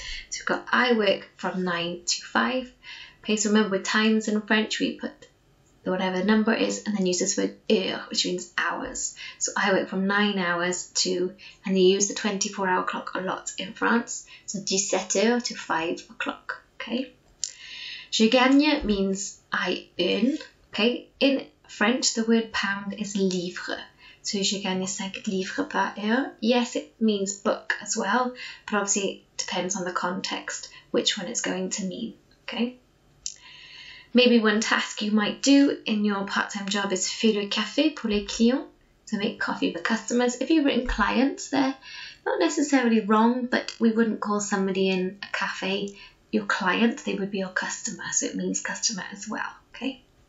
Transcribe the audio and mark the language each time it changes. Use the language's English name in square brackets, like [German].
[English] So we've got I work from 9 to 5. Okay, so remember with times in French, we put whatever the number is, and then use this word heure, which means hours. So I work from 9 hours to, and you use the 24-hour clock a lot in France, so 17 heures to 5 o'clock, okay? [French] Je gagne [English] means I earn, okay? In French, the word pound is livre. [French] So je gagne 5 livres par heure. [English] Yes, it means book as well, but obviously it depends on the context which one it's going to mean, okay? Maybe one task you might do in your part-time job is [French] faire le café pour les clients, [English] so make coffee for customers. If you've written clients, they're not necessarily wrong, but we wouldn't call somebody in a café your client, they would be your customer, so it means customer as well, okay?